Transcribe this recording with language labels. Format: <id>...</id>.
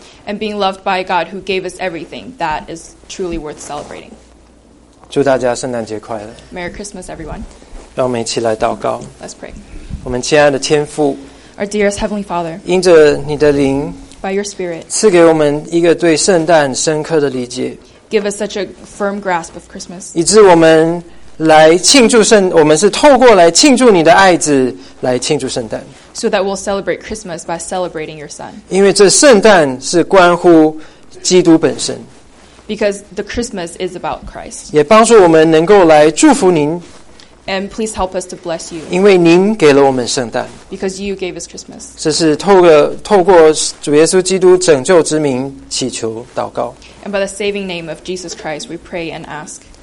<en>And being loved by God who gave us everything, that is truly worth celebrating.</en> <zh>祝大家圣诞节快乐。</zh> <en>Merry Christmas, everyone.</en> <zh>让我们一起来祷告。</zh> <en>Let's pray.</en> <zh>我们亲爱的天父</zh> <en>，Our dearest Heavenly Father，</en> <zh>因着你的灵</zh> <en>，By Your Spirit，</en> <zh>赐给我们一个对圣诞深刻的理解</zh> <en>，Give us such a firm grasp of Christmas，</en> <zh>以致我们来庆祝圣，我们是透过来庆祝你的爱子来庆祝圣诞</zh> <en>，So that we'll celebrate Christmas by celebrating Your Son，</en> <zh>因为这圣诞是关乎基督本身</zh> <en>，Because the Christmas is about Christ，</en> <zh>也帮助我们能够来祝福您。</zh> <en>And please help us to bless you.</en> <zh>因为您给了我们圣诞。</zh> <en>Because you gave us Christmas.</en> <zh>这是透过主耶稣基督拯救之名祈求祷告。</zh> <en>And by the saving name of Jesus Christ, we pray and ask.</en>